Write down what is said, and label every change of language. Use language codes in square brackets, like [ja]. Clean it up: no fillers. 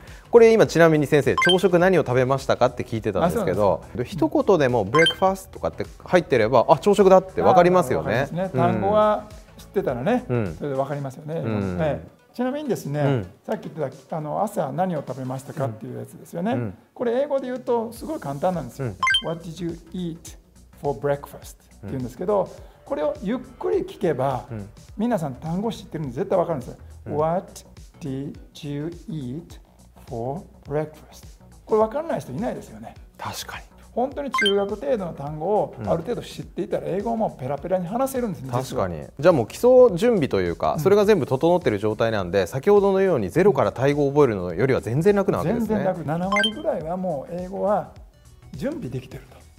[ja] これ今ちなみに先生、朝食何を食べましたかって聞いてたんですけど、一言でもブレックファーストとかって入ってれば、あ、朝食だってわかりますよね。わかりますね。単語は知ってたらね、それでわかりますよね。ちなみにですね、さっき言ってた朝何を食べましたかっていうやつですよね。これ英語で言うとすごい簡単なんですよ。 [en] What did you eat for breakfast? [ja] って言うんですけど、これをゆっくり聞けば、皆さん単語知ってるんで絶対わかるんですよ。 [en] What did you eat for breakfast? [ja] これわからない人いないですよね。確かに。本当に中学程度の単語をある程度知っていたら英語もペラペラに話せるんですね。確かに。じゃあもう基礎準備というか、それが全部整ってる状態なんで、先ほどのようにゼロからタイ語を覚えるのよりは全然楽なわけですね。全然楽。7割ぐらいはもう英語は準備できてると。